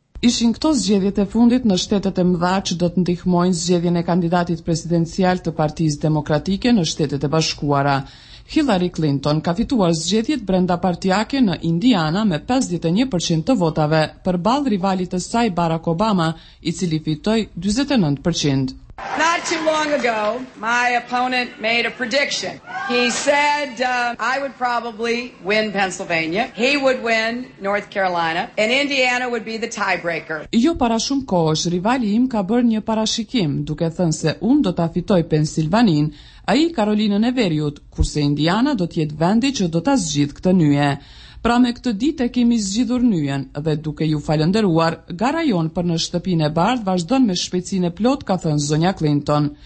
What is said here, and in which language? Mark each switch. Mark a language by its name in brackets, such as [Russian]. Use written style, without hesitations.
[Albanian] Ishin këto zgjedhjet e fundit në shtetet e mëdha që do të ndihmojnë zgjedhjen e kandidatit presidencial të Partisë Demokratike në Shtetet e Bashkuara. Hillary Clinton ka fituar zgjedhjet brenda partiake në Indiana me 51% të votave, përball rivalit të saj Barack Obama, i cili fitoi 49%. [English] Not too long ago, my opponent made a prediction. He said I would probably win Pennsylvania, he would win North Carolina, and Indiana would be the tiebreaker. [Albanian] Jo para shumë kohësh, rivali im ka bërë një parashikim, duke thënë se unë do ta fitoj Pennsylvaninë, ai Karolinën e Veriut, kurse Indiana do të jetë vendi që do ta zgjidh këtë nyje. Pra me këtë ditë e kemi zgjidhur nyjen dhe duke ju falënderuar, gara jon për në shtëpinë e bardhë vazhdon me shpejtësinë e plot, ka thënë zonja Clinton.